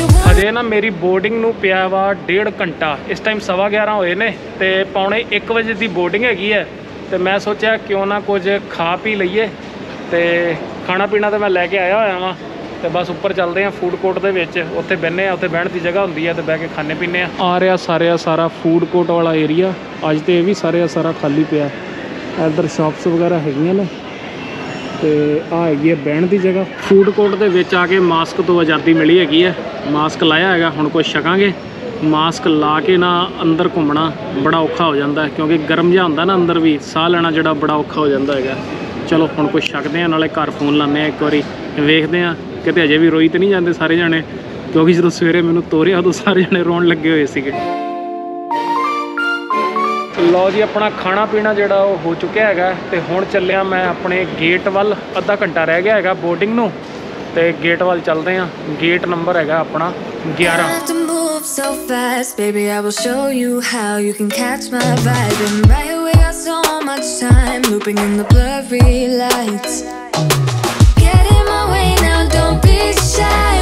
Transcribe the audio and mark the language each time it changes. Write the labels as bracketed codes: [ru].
[pa] अजे ना मेरी बोर्डिंग नू पिया वा डेढ़ घंटा इस टाइम सवा ग्यारह होए ने ते पौने एक बजे की बोर्डिंग हैगी है ਤੇ ਮੈਂ ਸੋਚਿਆ ਕਿਉਂ ਨਾ ਕੁਝ ਖਾ ਪੀ ਲਈਏ ਤੇ ਖਾਣਾ ਪੀਣਾ ਤੇ ਮੈਂ ਲੈ ਕੇ ਆਇਆ ਹੋਇਆ ਵਾਂ ਤੇ ਬਸ ਉੱਪਰ ਚੱਲਦੇ ਆ ਫੂਡ ਕੋਰਟ ਦੇ ਵਿੱਚ ਉੱਥੇ ਬਹਿਨੇ ਆ ਉੱਥੇ ਬਹਿਣ ਦੀ ਜਗ੍ਹਾ ਹੁੰਦੀ ਆ ਤੇ ਬਹਿ ਕੇ ਖਾਣੇ ਪੀਨੇ ਆ ਆ ਰਿਹਾ ਸਾਰਿਆ ਸਾਰਾ ਫੂਡ ਕੋਰਟ ਵਾਲਾ ਏਰੀਆ ਅੱਜ ਤੇ ਇਹ ਵੀ ਸਾਰਿਆ ਸਾਰਾ ਖਾਲੀ ਪਿਆ ਇੱਧਰ ਸ਼ਾਪਸ ਵਗੈਰਾ ਹੈਗੀਆਂ ਨੇ ਤੇ ਆ ਹੈਗੀ ਆ ਬਹਿਣ ਦੀ ਜਗ੍ਹਾ ਫੂਡ ਕੋਰਟ ਦੇ ਵਿੱਚ ਆ ਕੇ ਮਾਸਕ ਤੋਂ ਆਜ਼ਾਦੀ ਮਿਲੀ ਹੈਗੀ ਹੈ ਮਾਸਕ ਲਾਇਆ ਹੈਗਾ ਹੁਣ ਕੁਛ ਛਕਾਂਗੇ ਮਾਸਕ ਲਾ ਕੇ ਨਾ ਅੰਦਰ ਘੁੰਮਣਾ ਬੜਾ ਔਖਾ ਹੋ ਜਾਂਦਾ ਕਿਉਂਕਿ ਗਰਮ ਜਿਹਾ ਹੁੰਦਾ ਨਾ ਅੰਦਰ ਵੀ ਸਾਹ ਲੈਣਾ ਜਿਹੜਾ ਬੜਾ ਔਖਾ ਹੋ ਜਾਂਦਾ ਹੈਗਾ ਚਲੋ ਹੁਣ ਕੁਛ ਛਕਦੇ ਹਾਂ ਨਾਲੇ ਘਰ ਫੋਨ ਲਾਉਂਦੇ ਹਾਂ ਇੱਕ ਵਾਰੀ ਵੇਖਦੇ ਹਾਂ ਕਿਤੇ ਅਜੇ ਵੀ ਰੋਈ ਤਾਂ ਨਹੀਂ ਜਾਂਦੇ ਸਾਰੇ ਜਾਣੇ ਕਿਉਂਕਿ ਜਦੋਂ ਸਵੇਰੇ ਮੈਨੂੰ ਤੋਰਿਆ ਉਦੋਂ ਸਾਰੇ ਜਾਣੇ ਰੋਣ ਲੱਗੇ ਹੋਏ ਸੀਗੇ ਲਓ ਜੀ ਆਪਣਾ ਖਾਣਾ ਪੀਣਾ ਜਿਹੜਾ ਉਹ ਹੋ ਚੁੱਕਿਆ ਹੈਗਾ ਅਤੇ ਹੁਣ ਚੱਲਿਆ ਮੈਂ ਆਪਣੇ ਗੇਟ ਵੱਲ ਅੱਧਾ ਘੰਟਾ ਰਹਿ ਗਿਆ ਹੈਗਾ ਬੋਰਡਿੰਗ ਨੂੰ ਅਤੇ ਗੇਟ ਵੱਲ ਚੱਲਦੇ ਹਾਂ ਗੇਟ ਨੰਬਰ ਹੈਗਾ ਆਪਣਾ 11 [en] So fast, baby, I will show you how you can catch my vibe. And right away, I got so much time looping in the blurry lights. Get in my way now, don't be shy.